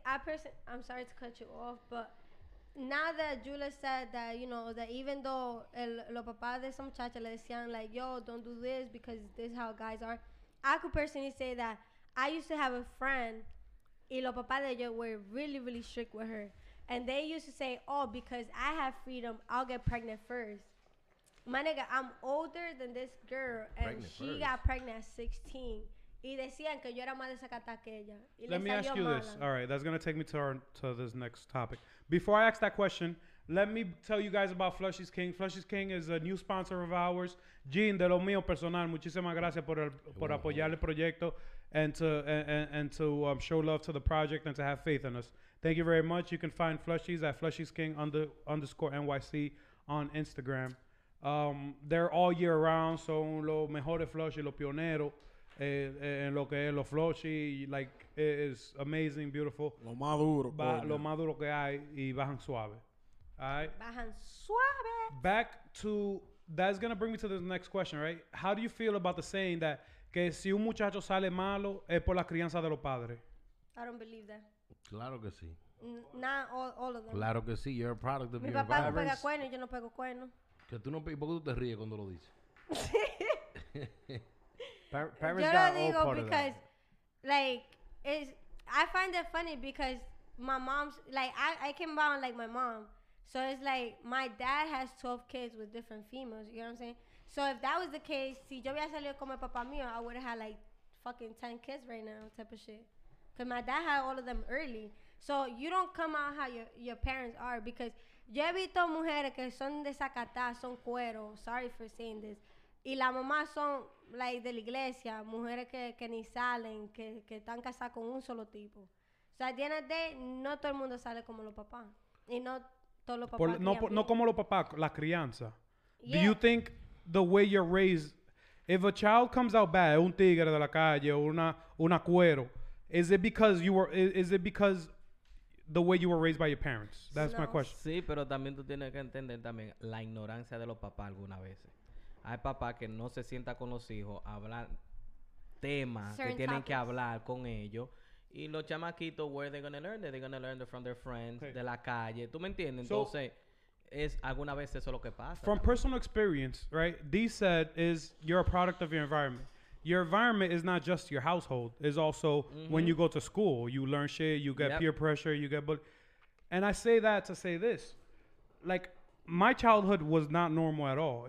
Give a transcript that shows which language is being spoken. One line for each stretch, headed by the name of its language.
English: I'm sorry to cut you off, but now that Julia said that, you know, that even though
Spanish: los papás de esa muchacha le decían,
English: like, yo, don't do this because this is how guys are, I could personally say that I used to have a friend,
Spanish: y los papás de ella
English: were really, really strict with her. And they used to say, oh, because I have freedom, I'll get pregnant first. My nigga, I'm older than this girl, and she got pregnant at 16.
Spanish: Y decían que yo era más desacatada que ella.
English: Let me ask you this. All right, that's going to take me to this next topic. Before I ask that question, let me tell you guys about Flushies King. Flushies King is a new sponsor of ours. Gene,
Spanish: de lo mío personal, muchísimas gracias por apoyar el proyecto
English: and to show love to the project and to have faith in us. Thank you very much. You can find Flushies at Flushies King _NYC on Instagram. They're all year round.
Spanish: Son los mejores flushy, los pioneros en lo que es los flushy.
English: Like, it is amazing, beautiful.
Spanish: Lo más duro. Lo más duro que hay y bajan suave.
English: All right?
Spanish: Bajan suave.
English: Back to, that's going to bring me to the next question, right? How do you feel about the saying that
Spanish: que si un muchacho sale malo es por la crianza de los padres?
English: I don't believe that.
Spanish: Claro que sí.
English: Not all of them.
Spanish: Claro que sí.
English: You're a product of
Spanish: Mi
English: your environment.
Spanish: Mi papá no pega cuernos, yo no pego cuernos. Que tú no, ¿por qué tú te ríes cuando lo dices? Yo lo digo
English: because, like, it's, I find it funny because my mom's, like, I came around like my mom. So it's like, my dad has 12 kids with different females, you know what I'm saying? So if that was the case,
Spanish: si yo hubiera salido con mi papá mío,
English: I would have had, like, fucking 10 kids right now type of shit. Because my dad had all of them early. So you don't come out how your parents are because...
Spanish: Yo he visto mujeres que son desacatadas, son cuero,
English: sorry for saying this,
Spanish: y la mamá son, like, de la iglesia, mujeres que ni salen, que están casadas con un solo tipo. O sea, tiene de, no todo el mundo sale como los papás, y no todos los papás. No como los papás, la crianza. Yeah.
English: Do you think the way you're raised, if a child comes out bad,
Spanish: un tigre de la calle, una cuero,
English: is it because the way you were raised by your parents. That's no. My question.
Spanish: Sí, pero también tú tienes que entender también la ignorancia de los papás algunas veces. Hay papás que no se sienta con los hijos a hablar temas certain que tienen topics. Que hablar con ellos. Y los chamaquitos,
English: where they're going to learn it? They're going to learn it from their friends, okay.
Spanish: De la calle. ¿Tú me entiendes? So, entonces, es alguna vez eso lo que pasa.
English: From personal experience, right? D said is you're a product of your environment. Your environment is not just your household. It's also mm-hmm. when you go to school, you learn shit, you get yep. peer pressure, you get bullied. And I say that to say this. Like, my childhood was not normal at all.